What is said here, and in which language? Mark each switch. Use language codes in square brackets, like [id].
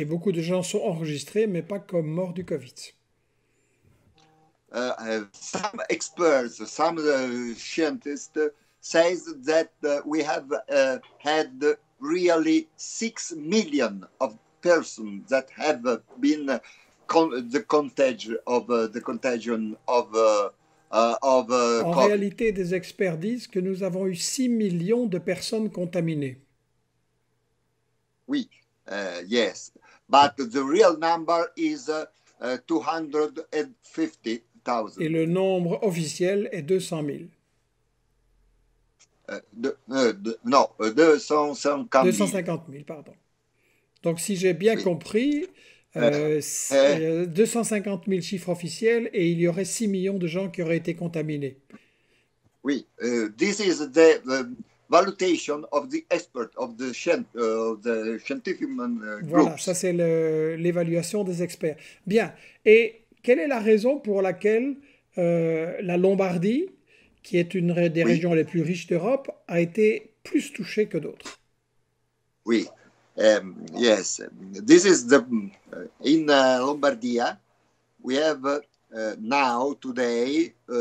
[fr] Et beaucoup de gens sont enregistrés, mais pas comme morts du COVID. [en] Some experts, some scientists says that we have had really 6 million of persons that have been the contagion of COVID. [fr] En réalité, des experts disent que nous avons eu 6 millions de personnes contaminées. [en] Oui, yes, but the real number is 250,000. [fr] Et le nombre officiel est 200 000. 250 000, pardon. Donc, si j'ai bien compris, 250 000 chiffres officiels et il y aurait 6 millions de gens qui auraient été contaminés. [en] Oui, this is the... valuation of the expert of the scientific groups. [fr] Voilà, ça c'est l'évaluation des experts. Bien. Et quelle est la raison pour laquelle la Lombardie, qui est une des régions les plus riches d'Europe, a été plus touchée que d'autres? [en] Oui. Yes. This is the in Lombardia we have now today.